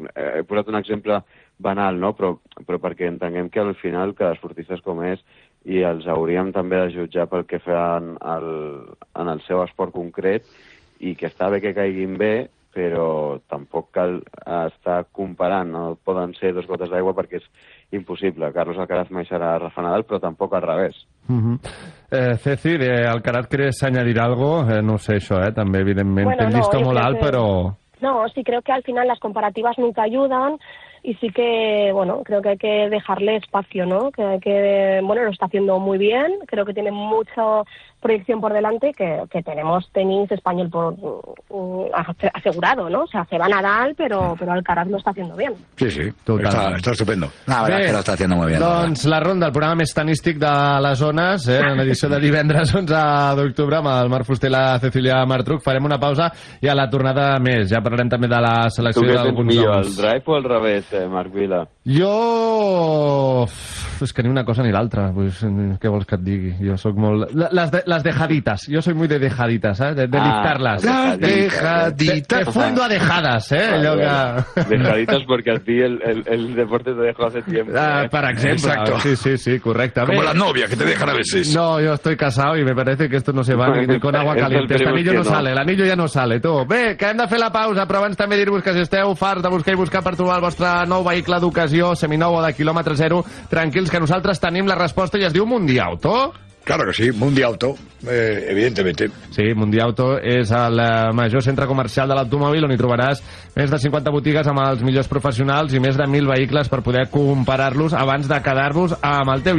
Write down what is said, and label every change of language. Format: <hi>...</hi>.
<ca>He posat un exemple banal, no? Però perquè entenguem que al final cada esportista és com és i els hauríem també de jutjar pel que fan en el seu esport concret i que està bé que caiguin bé, però tampoc cal estar comparant, no poden ser dos gotes d'aigua perquè és impossible. Carlos Alcaraz mai serà Rafa Nadal, però tampoc al revés. Mm-hmm. Ceci, Alcaraz, creus s'</ca> <es>añadir algo?</es> <ca>No sé això, també, evidentment, bueno, té llista molt alt, però...</ca> <es>No, sí, creo que al final las comparativas nunca ayudan y sí que, bueno, creo que hay que dejarle espacio, ¿no? Que hay que, bueno, lo está haciendo muy bien, creo que tiene mucha proyección por delante, que tenemos tenis español por asegurado, ¿no? O sea, se va Nadal, pero Alcaraz lo está haciendo bien. Sí, sí, total. Está estupendo. La verdad es que lo está haciendo muy bien.</es> <ca>Doncs la ronda, el programa més tenístic de les zones, en edició de divendres 11 d'octubre amb el Marc Fuster i la Cecília Martruc. Farem una pausa i a la tornada més. Ja parlarem també de la selecció d'alguns noms. El drive o al revés, Marc Vila? Jo... És que ni una cosa ni l'altra. Pues, què vols que et digui? Jo sóc molt... Les</ca> <es>dejaditas. Jo soy muy de dejaditas, ¿eh? De dictarlas. Las dejaditas. Te fundo a dejadas, ¿eh? Vale,</es> <ca>allò que...</ca> <es>Dejaditas porque a ti el deporte te dejó hace tiempo.</es> <ca>Per exemple.</ca> <es>Exacto.</es> <ca>Sí, correcte.</ca> <es>Como la novia que te dejan a veces. No, yo estoy casado y me parece que esto no se va ni con agua caliente. Este anillo no sale. El anillo ya no sale, tú.</es> <ca>Bé, que hem de fer la pausa, però abans també dir-vos que si esteu farts de buscar i buscar per trobar el vostre nou vehicle d'ocasió, seminou o de quilòmetre zero, tranquils, que nosaltres tenim la resposta i es diu Mundiauto.</ca> <es>Claro que sí, Mundiauto, evidentemente.</es> <ca>Sí, Mundiauto és el major centre comercial de l'automòbil on hi trobaràs més de 50 botigues amb els millors professionals i més de 1.000 vehicles per poder comparar-los abans de quedar-vos amb el teu.</ca>